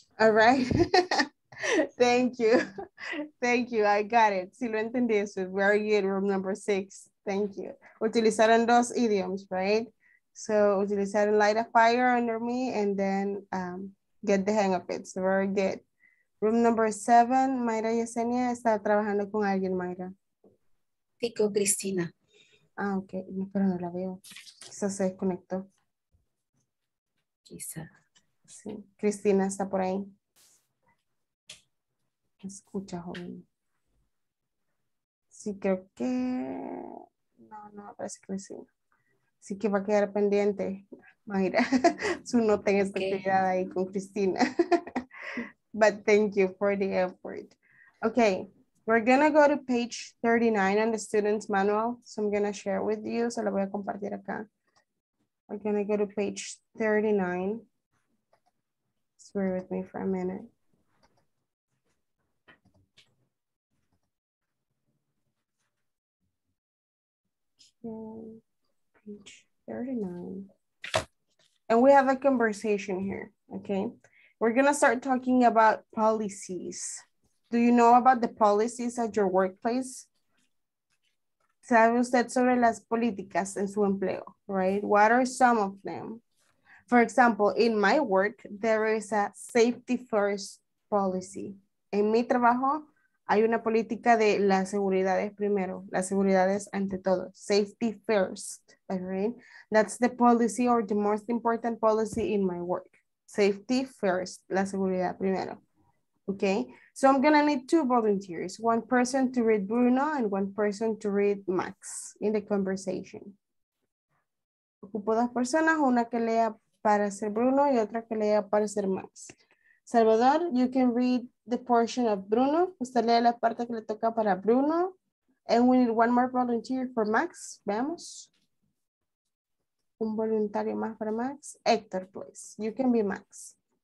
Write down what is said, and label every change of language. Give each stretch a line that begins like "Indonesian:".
English: All right. Thank you. Thank you. I got it.
Spanish: Si lo entendí, eso es
English: very good. Room number 6. Thank you.
Spanish: Utilizaron dos idioms, right?
English: So,
Spanish: utilizaron
English: light a fire under me and then get the hang of it. So, very good. Room number 7,
Spanish: Mayra Yesenia está trabajando con alguien, Mayra. Pico Cristina. Ah, ok. No, pero no la veo. Quizás se desconectó. Quizás. Sí. Cristina está por ahí. Escucha, joven. Sí, creo que... No, parece que sí. Así que va a quedar pendiente, Mayra, su nota en esta actividad ahí con Cristina.
English: But thank you for the effort. Okay, we're going to go to page 39 on the student's manual. So I'm going to share with you.
Spanish: So la voy a compartir acá.
English: We're going to go to page 39. Just bear with me for a minute. Page 39, and we have a conversation here. Okay, we're gonna start talking about policies. Do you know about the policies at your workplace?
Spanish: ¿Sabe usted sobre las políticas en su empleo? Right. What are some of them?
English: For example, in my work, there is a safety first policy.
Spanish: En mi trabajo, hay una política de la seguridad es primero. La seguridad es ante todo.
English: Safety first. Right? That's the policy or the most important policy in my work. Safety first.
Spanish: La seguridad primero.
English: Okay? So I'm going to need two volunteers. One person to read Bruno and one person to read Max in the conversation.
Spanish: Ocupo dos personas. Una que lea para ser Bruno y otra que lea para ser Max. Salvador,
English: you can read the portion of Bruno.
Spanish: Usted lee la parte que le toca para Bruno.
English: And we need one more volunteer for Max.
Spanish: Veamos. Un voluntario más para Max. Héctor,
English: please. You can be Max.